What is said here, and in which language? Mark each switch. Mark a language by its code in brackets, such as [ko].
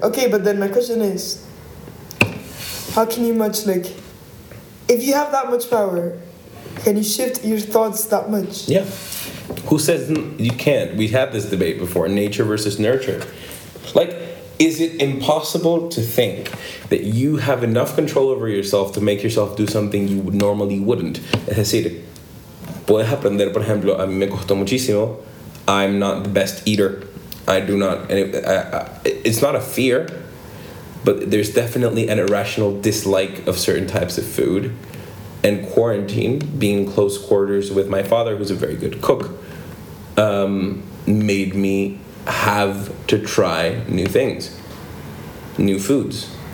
[en] Okay, but then my question is, how can you much, like, if you have that much power, can you shift your thoughts that much? Yeah. Who says you can't? We had this debate before, nature versus nurture. Like, is it impossible to think that you have enough control over yourself to make yourself do something you would normally wouldn't? [es] Es decir, puedes aprender, por ejemplo, a mí me costó muchísimo. [en] I'm not the best eater. I do not. And it's not a fear, but there's definitely an irrational dislike of certain types of food. And quarantine, being close quarters with my father, who's a very good cook, made me have to try new things, new foods.